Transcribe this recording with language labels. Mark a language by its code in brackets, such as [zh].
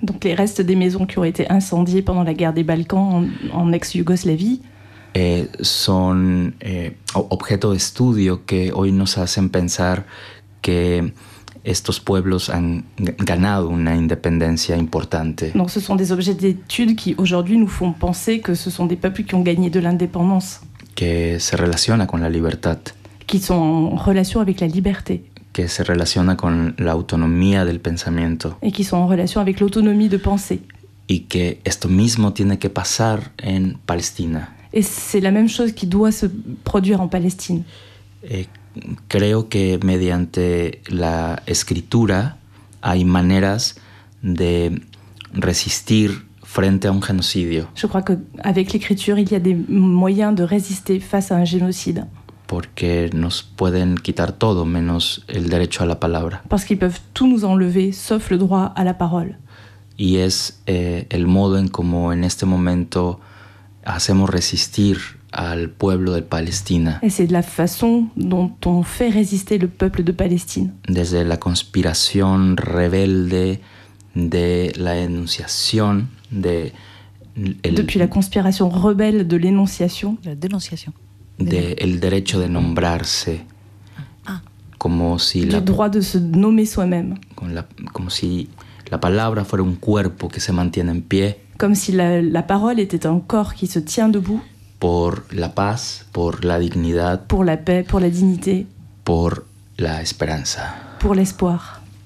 [fr] Donc les restes des maisons qui ont été incendiées pendant la guerre des Balkans en ex-Yougoslavie. [es] Son objeto de estudio que hoy nos hacen pensar que estos pueblos han ganado una independencia importante. [fr] Donc ce sont des objets d'étude qui aujourd'hui nous font penser que ce sont des peuples qui ont gagné de l'indépendance. [es] Que se relaciona con la libertad. [fr] Qui sont en relation avec la liberté. [es] Que se relaciona con la autonomía del pensamiento. [fr] Et qui sont en relation avec l'autonomie de pensée. [es] Y que esto mismo tiene que pasar en Palestina. [fr] Et c'est la même chose qui doit se produire en Palestine. [es] Et creo que mediante la escritura hay maneras de resistir frente a un genocidio. [fr] Je crois que avec l'écriture, il y a des moyens de résister face à un génocide. [es] Porque nos pueden quitar todo menos el derecho a la palabra. [fr] Parce qu'ils peuvent tout nous enlever sauf le droit à la parole. [es] Y es el modo en como en este momento hacemos resistir al pueblo de Palestina. [fr] Et c'est de la façon dont on fait résister le peuple de Palestine. [es] Desde la conspiración rebelde de la enunciación de [fr] depuis la conspiration rebelle de l'énonciation, la dénonciation [es] de el derecho de nombrarse. Como si [fr] le droit de se nommer soi-même. [es] Como si la palabra fuera un cuerpo que se mantiene en pie. [fr] Comme si la parole était un corps qui se tient debout. [es] Pour la paz, pour la dignidad. [fr] Pour la paix, pour la dignité. [es] Pour la esperanza. [fr] Pour l'espoir.